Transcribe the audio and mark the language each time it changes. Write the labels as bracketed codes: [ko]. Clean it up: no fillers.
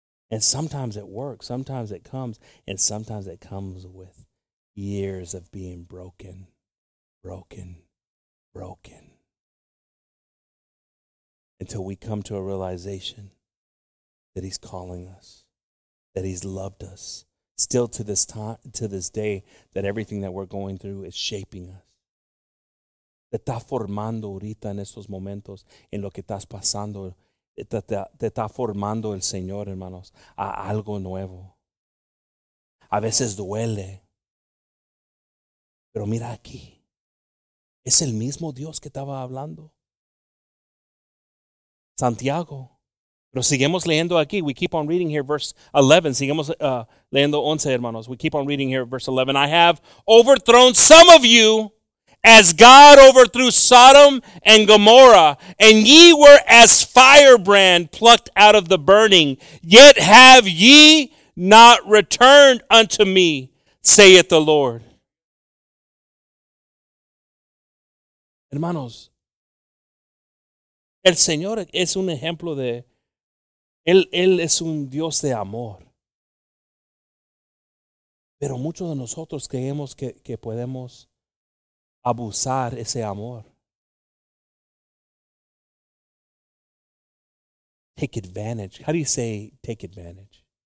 [en] And sometimes it works. Sometimes it comes. And sometimes it comes with years of being broken, broken, broken. Until we come to a realization that he's calling us, that he's loved us. Still to this time, to this day, that everything that we're going through is shaping us. [es] Te está formando ahorita en estos momentos, en lo que estás pasando. Te está formando el Señor, hermanos, a algo nuevo. A veces duele. Pero mira aquí, es el mismo Dios que estaba hablando. [en] Santiago. [es] Pero seguimos leyendo aquí. [en] We keep on reading here, verse 11. [es] Seguimos leyendo 11, hermanos. [en] We keep on reading here, verse 11. I have overthrown some of you as God overthrew Sodom and Gomorrah, and ye were as firebrand plucked out of the burning. Yet have ye not returned unto me, saith the Lord. [es] Hermanos, el Señor es un ejemplo de, él es un Dios de amor. Pero muchos de nosotros creemos que podemos abusar ese amor. [en] Take advantage. How do you say take advantage?